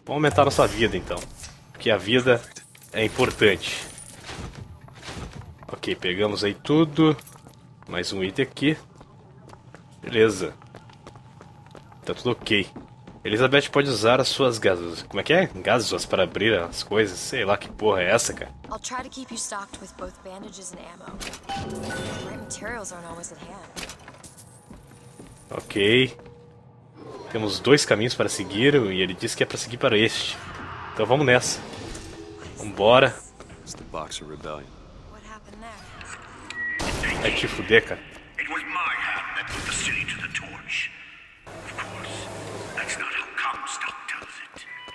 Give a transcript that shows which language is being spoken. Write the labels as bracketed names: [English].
[Portuguese] Vamos aumentar nossa vida então. Porque a vida é importante. Ok, pegamos aí tudo. Mais um item aqui. Beleza. Tá tudo ok. Elizabeth pode usar as suas gazos. Como é que é? Gazos para abrir as coisas? Sei lá que porra é essa, cara. [English] I'll try to keep you stocked with both bandages and ammo. The right materials aren't always at hand. Ok. [Portuguese] Temos dois caminhos para seguir e ele disse que é para seguir para este. Então vamos nessa. Vambora. [English] It's the Boxer Rebellion. What happened there? [Portuguese] Vai te fuder, cara. [English] It was my hand that put the city to the torch. Of course, that's not how Comstock does it.